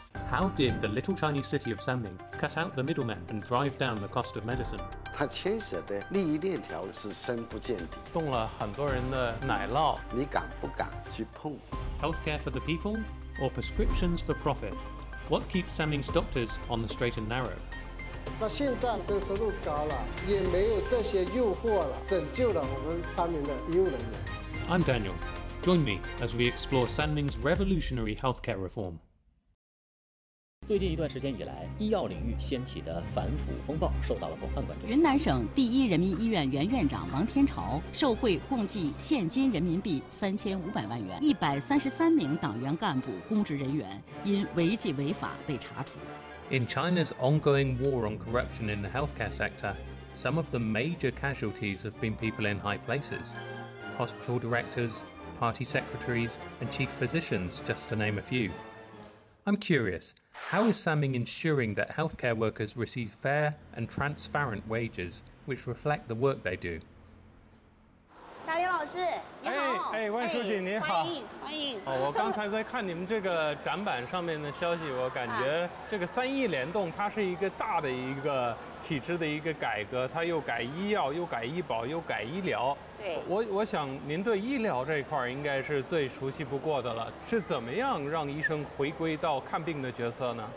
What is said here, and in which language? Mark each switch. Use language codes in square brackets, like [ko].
[en] How did the little Chinese city of Sanming cut out the middleman and drive down the cost of medicine? [zh] 它牵涉的利益链条是深不见底，动了很多人的奶酪，你敢不敢去碰？ [en] Healthcare for the people or prescriptions for profit? What keeps Sanming's doctors on the straight and narrow? [zh] 那现在是收入高了，也没有这些诱惑了，拯救了我们三名的医务人员。 [en] I'm Daniel. Join me as we explore Sanming's revolutionary healthcare reform. [zh] 最近一段时间以来，医药领域掀起的反腐风暴受到了广泛关注。云南省第一人民医院原院长王天朝受贿共计现金人民币3500万元，133名党员干部、公职人员因违纪违法被查处。 [en] In China's ongoing war on corruption in the healthcare sector, some of the major casualties have been people in high places, hospital directors, party secretaries, and chief physicians, just to name a few. I'm curious, how is Sanming ensuring that healthcare workers receive fair and transparent wages, which reflect the work they do? [zh] 大林老师，你好。哎，万书记，哎，你好。欢迎，欢迎。哦，我刚才在看你们这个展板上面的消息，我感觉这个三亿联动，它是一个大的一个体制的一个改革，它又改医药，又改医保，又改医疗。对。我想您对医疗这一块应该是最熟悉不过的了，是怎么样让医生回归到看病的角色呢？